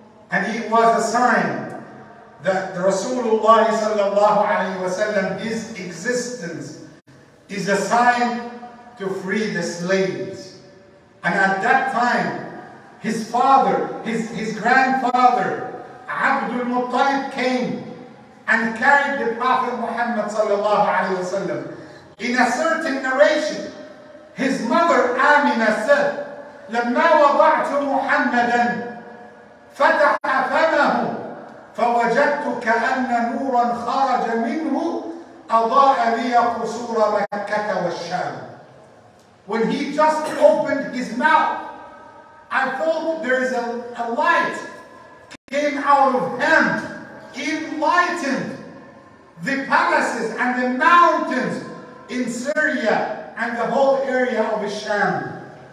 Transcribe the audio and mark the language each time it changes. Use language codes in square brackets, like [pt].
[en] And it was a sign that Rasulullah sallallahu alayhi wa sallam, his existence is a sign to free the slaves. And at that time, his father, his grandfather, Abdul Muttalib came and carried the Prophet Muhammad sallallahu alayhi wa sallam. In a certain narration, his mother Amina said, [ar] لَمَّا وَضَعْتُ مُحَمَّدًا فَتَحَ فَمَهُ فَوَجَدْتُ كَأَنَّ نُورًا خَرَجَ مِنْهُ أَضَاءَ لِيَ قُصُورَ مَكَّةَ وَالشَّامِ. [en] When he just opened his mouth, I felt there is a light came out of him, enlightened the palaces and the mountains in Syria and the whole area of Sham.